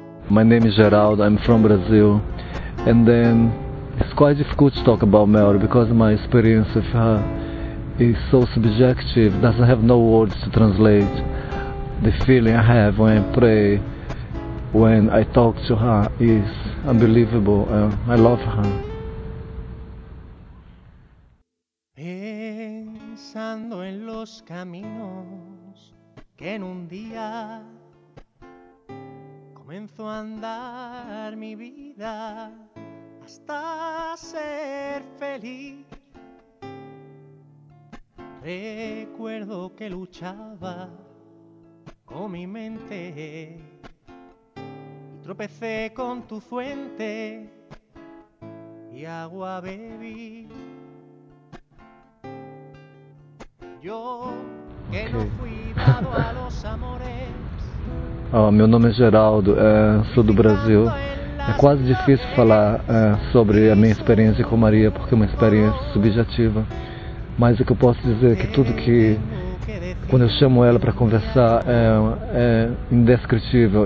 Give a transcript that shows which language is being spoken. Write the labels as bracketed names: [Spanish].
[English] My name is Geraldo, I'm from Brazil, and then it's quite difficult to talk about Mary because my experience with her is so subjective, doesn't have no words to translate the feeling I have when I pray, when I talk to her, is unbelievable. I love her. [Spanish] Pensando en los caminos que en un día comenzó a andar mi vida hasta ser feliz. Recuerdo que luchaba con mi mente y tropecé con tu fuente y agua bebí. Yo que no fui dado a los amores. [Portuguese] Meu nome é Geraldo, sou do Brasil. É quase difícil falar sobre a minha experiência com Maria, porque é uma experiência subjetiva. Mas o que eu posso dizer é que tudo que, quando eu chamo ela para conversar, é indescritível.